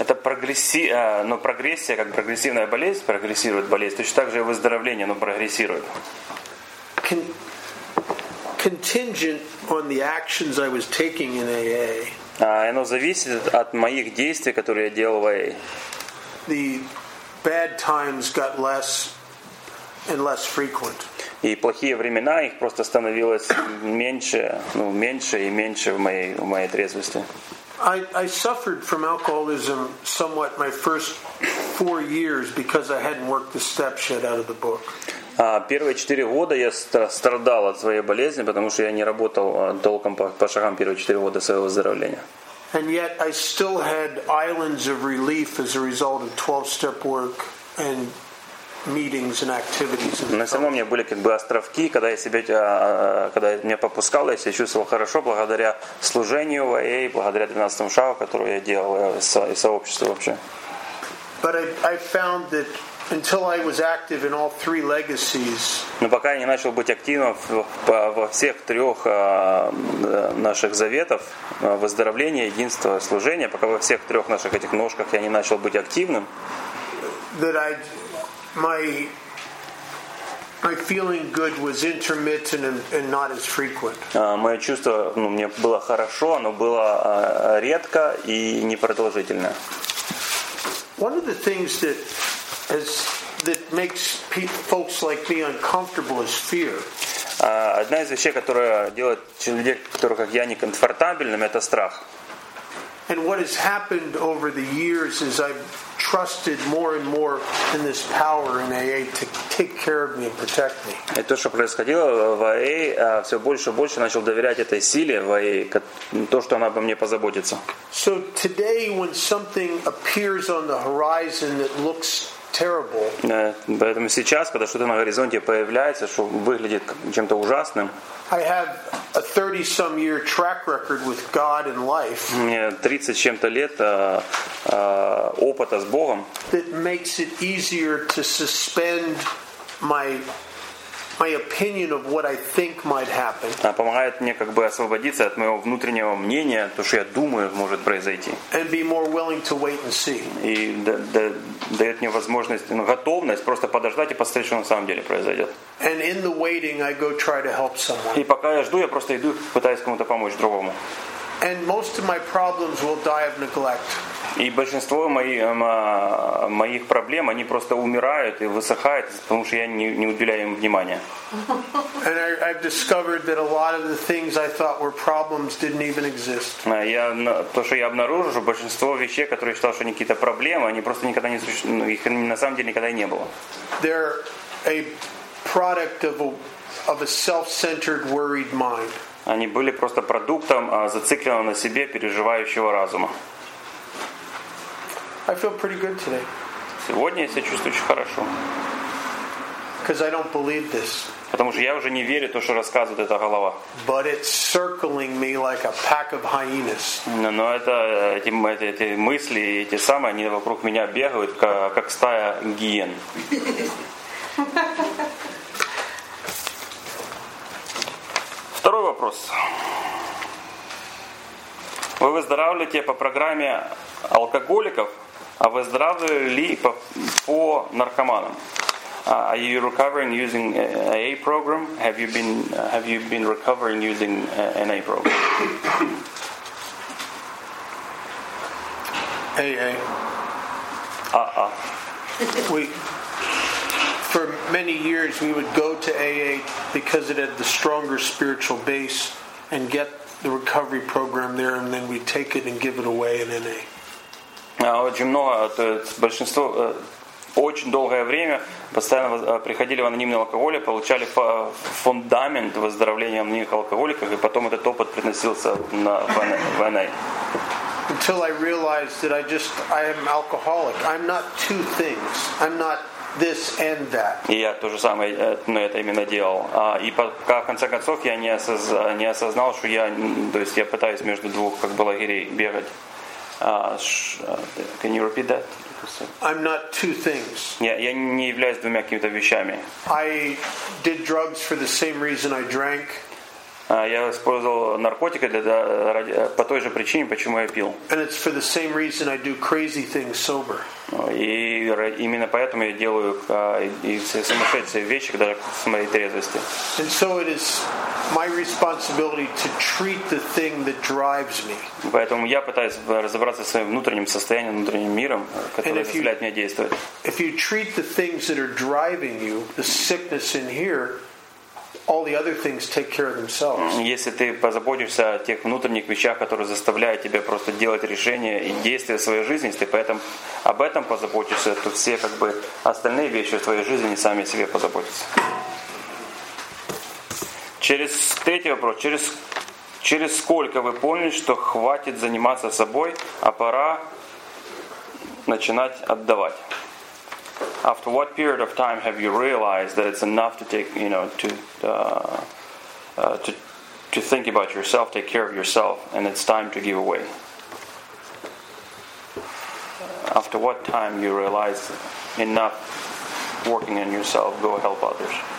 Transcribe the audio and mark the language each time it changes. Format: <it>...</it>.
<ru>Это прогрессия, как прогрессивная болезнь, прогрессирует болезнь. Точно так же и выздоровление, но прогрессирует.</ru> <en>Contingent on the actions I was taking in AA.</en> <ru>Оно зависит от моих действий, которые я делал в AA.</ru> <en>The bad times got less and less frequent.</en> <ru>И плохие времена, их просто становилось меньше, ну, меньше и меньше в моей трезвости.</ru> <en>I suffered from alcoholism somewhat my first 4 years because I hadn't worked the steps yet out of the book.</en> <ru>Первые 4 года я страдал от своей болезни, потому что я не работал толком по шагам первые 4 года своего выздоровления.</ru> <en>And yet I still had islands of relief as a result of 12-step work and meetings and activities.</en> <ru>На самом деле были как бы островки, когда я себя, когда меня попускало, я себя чувствовал хорошо благодаря служению в АА, благодаря 12-му шагу, который я делал и сообществу вообще.</ru> <en>But I found that until I was active in all three legacies.</en> <ru>Но пока я не начал быть активным во всех трех наших заветов выздоровления, единства, служения, пока во всех трех наших этих ножках я не начал быть активным.</ru> <en>That I My feeling good was intermittent and not as frequent.</en> <ru>Мое чувство, ну, мне было хорошо, оно было редко и непродолжительно.</ru> <en>One of the things that has that makes folks like me uncomfortable is fear.</en> <ru>Одна из вещей, которая делает людей, которые как я, некомфортабельным, это страх.</ru> <en>And what has happened over the years is I've trusted more and more in this power in AA to take care of me and protect me.</en> <ru>И то, что происходило в AA, все больше и больше начал доверять этой силе в AA, то, что она обо мне позаботится.</ru> <en>So today, when something appears on the horizon that looks terrible,</en> <ru>поэтому сейчас, когда что-то на горизонте появляется, что выглядит чем-то ужасным,</ru> <en>I have a 30-some year track record with God and life.</en> <ru>У меня 30 чем-то лет опыта с Богом.</ru> <en>That makes it easier to suspend my opinion of what I think might happen.</en> <ru>Помогает мне как бы освободиться от моего внутреннего мнения, то, что я думаю, может произойти.</ru> <en>And be more willing to wait and see.</en> <ru>И дает мне возможность, ну, готовность просто подождать и посмотреть, что на самом деле произойдет.</ru> <en>And in the waiting, I go try to help someone.</en> <ru>И пока я жду, я просто иду, пытаюсь кому-то помочь другому.</ru> <en>And most of my problems will die of neglect.</en> <ru>И большинство моих проблем, они просто умирают и высыхают, потому что я не уделяю им внимания.</ru> <en>And I've discovered that a lot of the things I thought were problems didn't even exist.</en> <ru>То, что я обнаружил, что большинство вещей, которые я считал, что они какие-то проблемы, они просто никогда не существовали, их на самом деле никогда и не было.</ru> <en>They're a product of a self-centered, worried mind.</en> <ru>Они были просто продуктом зацикленного на себе переживающего разума.</ru> <en>I feel pretty good today.</en> <ru>Сегодня я себя чувствую очень хорошо.</ru> <en>Because I don't believe this.</en> <ru>Потому что я уже не верю то, что рассказывает эта голова.</ru> <en>But it's circling me like a pack of hyenas.</en> <ru>Но эти мысли, эти самые, они вокруг меня бегают, как стая гиен. Второй вопрос. Вы выздоравливаете по программе алкоголиков, а выздоравливали ли по наркоманам?</ru> <en>Are you recovering using AA program? Have you been recovering using NA program? AA. For many years, we would go to AA because it had the stronger spiritual base and get the recovery program there, and then we'd take it and give it away in NA.</en> <ru>Очень много, то есть большинство, очень долгое время постоянно приходили в анонимный алкоголь, получали фундамент выздоровления анонимных алкоголиков, и потом этот опыт приносился в NA.</ru> <en>Until I realized that I am alcoholic. I'm not two things. I'm not this and that.</en> <ru>И я то же самое, но это именно делал. И пока в конце концов я не осознал, что я, то есть я пытаюсь между двух как бы лагерей бегать.</ru> <en>Can you repeat that? I'm not two things.</en> <ru>Я не являюсь двумя какими-то вещами.</ru> <en>I did drugs for the same reason I drank.</en> <ru>Я использовал наркотики по той же причине, почему я пил.</ru> <en>And it's for the same reason I do crazy things sober.</en> <ru>И именно поэтому я делаю все сумасшедшие вещи, даже с моей трезвости.</ru> <en>And so it is my responsibility to treat the thing that drives me.</en> <ru>Поэтому я пытаюсь разобраться со своим внутренним состоянием, внутренним миром, который заставляет меня действовать.</ru> <en>If you treat the things that are driving you, the sickness in here, all the other things take care of themselves.</en> <ru>Если ты позаботишься о тех внутренних вещах, которые заставляют тебя просто делать решения и действия в своей жизни, если ты об этом позаботишься, то все как бы остальные вещи в твоей жизни сами о себе позаботятся. Через третий вопрос. Через сколько вы поняли, что хватит заниматься собой, а пора начинать отдавать?</ru> <en>After what period of time have you realized that it's enough to take, you know, to think about yourself, take care of yourself, and it's time to give away? After what time you realize enough working on yourself, go help others?</en>